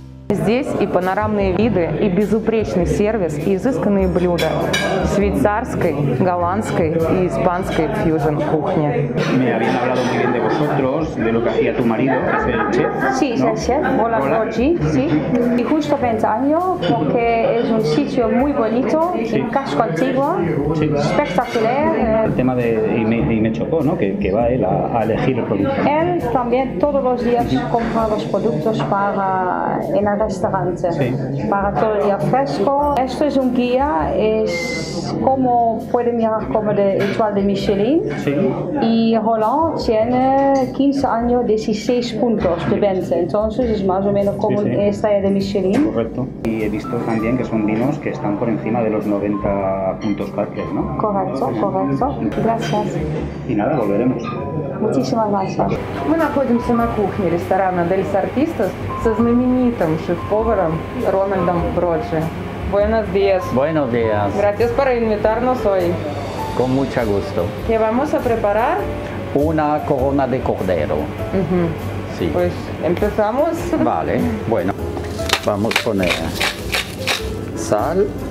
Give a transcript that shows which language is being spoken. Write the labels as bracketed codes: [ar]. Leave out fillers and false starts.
[ru] Здесь и панорамные виды, и безупречный сервис, и изысканные блюда швейцарской, голландской и испанской фьюжн кухни. [es] Me habían hablado muy bien de vosotros, de lo que hacía tu marido, que es el chef. Sí, ¿no? Es el chef. Hola, Jorge. Sí. Y justo pensando, porque es un sitio muy bonito, sí. Un casco antiguo, sí. Espectacular. El tema de y me chocó, ¿no? Que va él a elegir los productos. Él también todos los días compra los productos para en el restaurante, sí. Para todo el día fresco. Esto es un guía, es como puede mirar como de Étoile de Michelin, sí. Y Roland tiene 15 años, 16 puntos de venta, entonces es más o menos como sí, sí. Una estrella de Michelin. Correcto. Y he visto también que son vinos que están por encima de los 90 puntos Parker, ¿no? Correcto, correcto. Gracias. Y nada, volveremos. [ru] Мы находимся на кухне ресторана «Дельс Артистас» со знаменитым шеф-поваром Рональдом Броджи. [es] Buenos días. Buenos días. Gracias por invitarnos hoy. Con mucho gusto. ¿Qué vamos a preparar? Una corona de cordero. Sí. Pues empezamos. Vale, bueno. Vamos a poner sal.